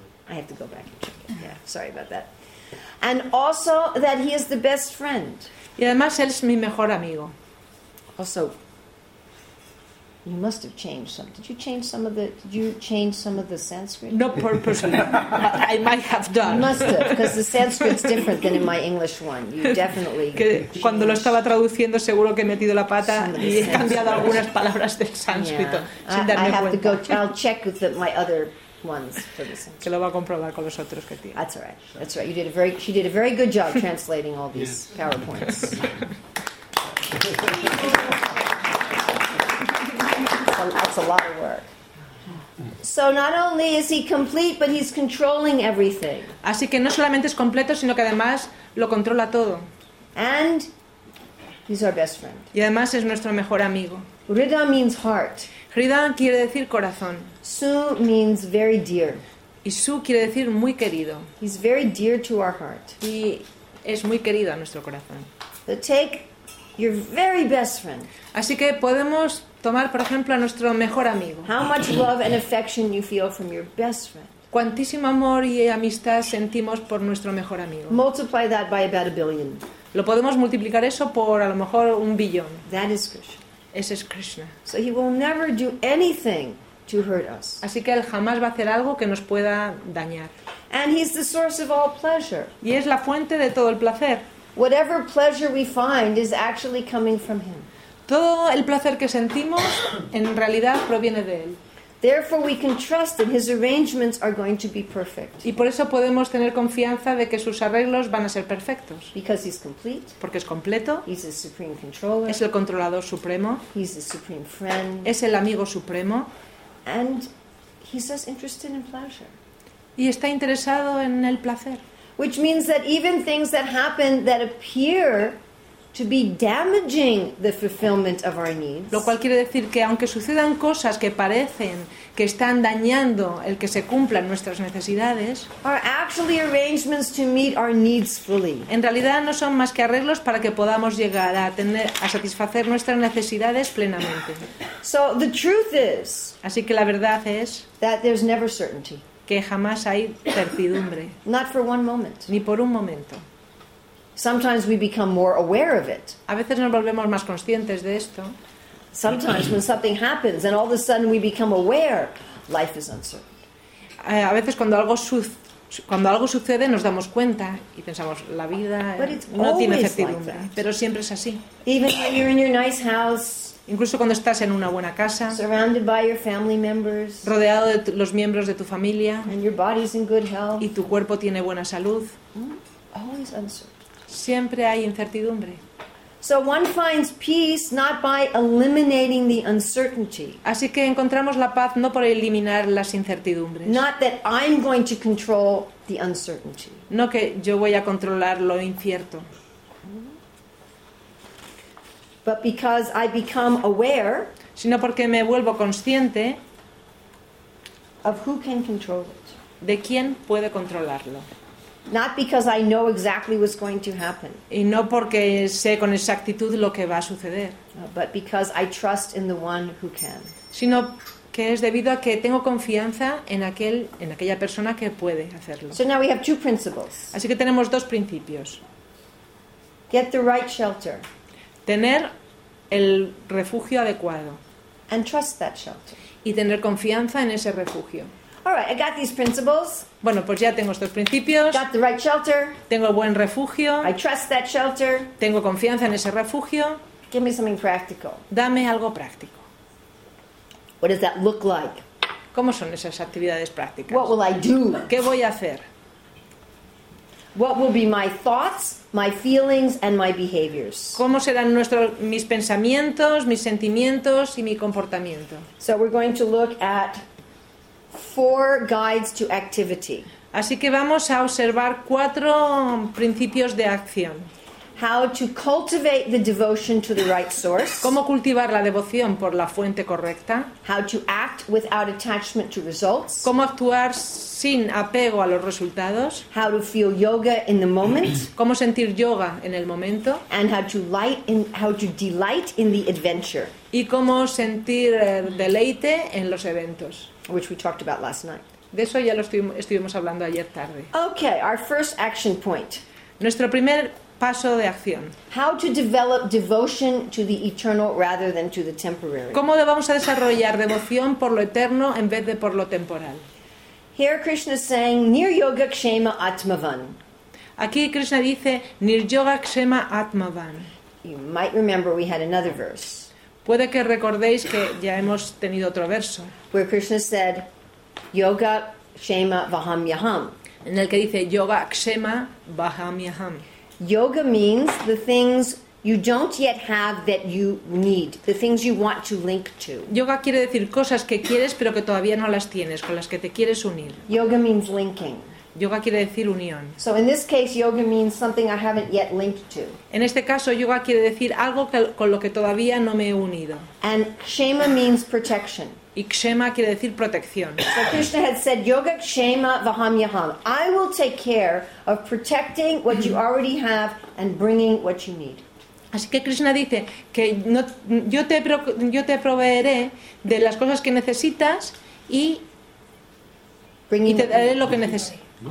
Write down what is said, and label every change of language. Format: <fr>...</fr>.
<en>I have to go back and check it. Yeah, sorry about that. And also that he is the best friend.</en> <es>Y además él es mi mejor amigo.</es> <en>Also... You must have changed some. Did you change some of the? Did you change some of the Sanskrit? No, purposely. I might have done. You must have, because the Sanskrit's different than in my English one. You definitely.</en> <es>Que cuando lo estaba traduciendo, seguro que he metido la pata y he cambiado algunas palabras del sánscrito.</es> <en>Yeah. I have cuenta. To go. I'll check with my other ones for the Sanskrit.</en> <es>Que lo va a comprobar con los otros que tiene.</es> <en>That's all right. That's right. She did a very good job translating all these PowerPoints. That's a lot of work. So not only is he complete, but he's controlling everything.</en> <es>Así que no solamente es completo, sino que además lo controla todo.</es> <en>And he's our best friend.</en> <es>Y además es nuestro mejor amigo.</es> <en>Hrida means heart.</en> <es>Hrida quiere decir corazón.</es> <en>Su means very dear.</en> <es>Y su quiere decir muy querido.</es> <en>He's very dear to our heart.</en> <es>Y es muy querido a nuestro corazón.</es> <en>So take your very best friend.</en> <es>Así que podemos tomar, por ejemplo, a nuestro mejor amigo.</es> <en>How much love and affection you feel from your best friend.</en> <es>Cuantísimo amor y amistad sentimos por nuestro mejor amigo.</es> <en>Multiply that by about a billion.</en> <es>Lo podemos multiplicar eso por a lo mejor un billón.</es> <en>That is Krishna.</en> <es>Ese es Krishna.</es> <en>So he will never do anything to hurt us.</en> <es>Así que él jamás va a hacer algo que nos pueda dañar.</es> <en>And he's the source of all pleasure.</en> <es>Y es la fuente de todo el placer.</es> <en>Whatever pleasure we find is actually coming from him.</en> <es>Todo el placer que sentimos en realidad proviene de él.</es> <en>Therefore we can trust that his arrangements are going to be perfect.</en> <es>Y por eso podemos tener confianza de que sus arreglos van a ser perfectos.</es> <en>Because he's complete.</en> <es>Porque es completo.</es> <en>He's the supreme controller.</en> <es>Es el controlador supremo.</es> <en>He's the supreme friend.</en> <es>Es el amigo supremo.</es> <en>And he's just interested in pleasure.</en> <es>Y está interesado en el placer.</es> <en>Which means that even things that happen that appear to be damaging the fulfillment of our needs.</en> <es>Lo cual quiere decir que aunque sucedan cosas que parecen que están dañando el que se cumplan nuestras necesidades,</es> <en>are actually arrangements to meet our needs fully.</en> <es>En realidad no son más que arreglos para que podamos llegar a tener a satisfacer nuestras necesidades plenamente.</es> <en>So the truth is,</en> <es>así que la verdad es</es> <en>that there's never certainty.</en> <es>Que jamás hay certidumbre.</es> <en>Not for one moment.</en> <es>Ni por un momento.</es> <en>Sometimes we become more aware of it.</en> <es>A veces nos volvemos más conscientes de esto.</es> <en>Sometimes when something happens and all of a sudden we become aware, life is uncertain.</en> <es>A veces cuando algo sucede nos damos cuenta y pensamos la vida no tiene certidumbre,</es> <en>like</en> <es>pero siempre es así.</es> <en>Even when you're in your nice house,</en> <es>incluso cuando estás en una buena casa,</es> <en>surrounded by your family members,</en> <es>rodeado de los miembros de tu familia,</es> <en>and your body's in good health,</en> <es>y tu cuerpo tiene buena salud,</es> <en>always uncertain.</en> <es>Siempre hay incertidumbre.</es> <en>So one finds peace not by eliminating the uncertainty.</en> <es>Así que encontramos la paz no por eliminar las incertidumbres.</es> <en>Not that I'm going to control the uncertainty.</en> <es>No que yo voy a controlar lo incierto.</es> <en>But because I become aware,</en> <es>sino porque me vuelvo consciente</es> <en>of who can control it.</en> <es>De quién puede controlarlo.</es> <en>Not because I know exactly what's going to happen.</en> <es>Y no porque sé con exactitud lo que va a suceder.</es> <en>But because I trust in the one who can.</en> <es>Sino que es debido a que tengo confianza en aquella persona que puede hacerlo.</es> <en>So now we have two principles.</en> <es>Así que tenemos dos principios.</es> <en>Get the right shelter.</en> <es>Tener el refugio adecuado.</es> <en>And trust that shelter.</en> <es>Y tener confianza en ese refugio.</es> <en>All right, I got these principles.</en> <es>Bueno, pues ya tengo estos principios.</es> <en>Got the right shelter.</en> <es>Tengo buen refugio.</es> <en>I trust that shelter.</en> <es>Tengo confianza en ese refugio.</es> <en>Give me something practical.</en> <es>Dame algo práctico.</es> <en>What does that look like?</en> <es>¿Cómo son esas actividades prácticas?</es> <en>What will I do?</en> <es>¿Qué voy a hacer?</es> <en>What will be my thoughts, my feelings, and my behaviors?</en> <es>¿Cómo serán mis pensamientos, mis sentimientos y mi comportamiento?</es> <en>So we're going to look at 4 guides to activity.</en> <es>Así que vamos a observar 4 principios de acción.</es> <en>How to cultivate the devotion to the right source.</en> <es>Cómo cultivar la devoción por la fuente correcta.</es> <en>How to act without attachment to results.</en> <es>Cómo actuar sin apego a los resultados.</es> <en>How to feel yoga in the moment.</en> <es>Cómo sentir yoga en el momento.</es> <en>And how to delight in the adventure.</en> <es>Y cómo sentir deleite en los eventos.</es> <en>Which we talked about last night.</en> <es>De eso ya lo estuvimos hablando ayer tarde.</es> <en>Okay, our first action point.</en> <es>Nuestro primer paso de acción.</es> <en>How to develop devotion to the eternal rather than to the temporary.</en> <es>¿Cómo vamos a desarrollar devoción por lo eterno en vez de por lo temporal?</es> <en>Here Krishna is saying,</en> <sa>Nir Yoga Kshema Atmavan.</sa> <es>Aquí Krishna dice,</es> <sa>Nir Yoga Kshema Atmavan.</sa> <en>You might remember we had another verse.</en> <es>Puede que recordéis que ya hemos tenido otro verso.</es> <en>Where Krishna said,</en> <sa>Yoga Kshema Vaham Yaham.</sa> <es>En el que dice,</es> <sa>Yoga Kshema Vaham Yaham.</sa> <en>Yoga means the things you don't yet have that you need, the things you want to link to.</en> <es>Yoga quiere decir cosas que quieres pero que todavía no las tienes, con las que te quieres unir.</es> <en>Yoga means linking.</en> <es>Yoga quiere decir unión.</es> <en>So in this case, yoga means something I haven't yet linked to.</en> <es>En este caso, yoga quiere decir algo con lo que todavía no me he unido.</es> <en>And kshema means protection.</en> <es>Y kshema quiere decir protección.</es> <en>So Krishna had said,</en> <sa>yoga kshema vaham yaham.</sa> <en>I will take care of protecting what you already have and bringing what you need.</en> <es>Así que Krishna dice que no, yo te proveeré de las cosas que necesitas y te daré lo que necesites.</es>